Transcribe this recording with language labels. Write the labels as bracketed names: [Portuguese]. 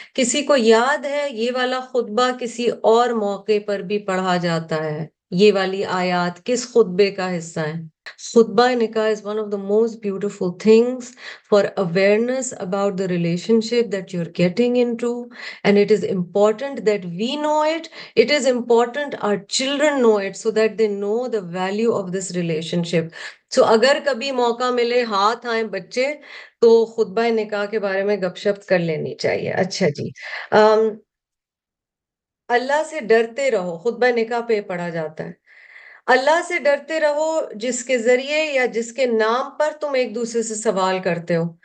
[Urdu] کسی کو یاد ہے یہ والا خطبہ کسی اور موقع پر بھی پڑھا جاتا ہے؟ یہ والی آیات کس خطبے کا حصہ ہیں؟ خطبہ نکاح [English] Is one of the most beautiful things for awareness about the relationship that you are getting into, and it is important that we know it. It is important our children know it, so that they know the value of this relationship. [Urdu] سو اگر کبھی موقع ملے، ہاتھ آئیں بچے، تو خطبہ نکاح کے بارے میں گپ شپ کر لینی چاہیے. اچھا جی، اللہ سے ڈرتے رہو، خطبہ نکاح پہ پڑھا جاتا ہے. اللہ سے ڈرتے رہو جس کے ذریعے یا جس کے نام پر تم ایک دوسرے سے سوال کرتے ہو.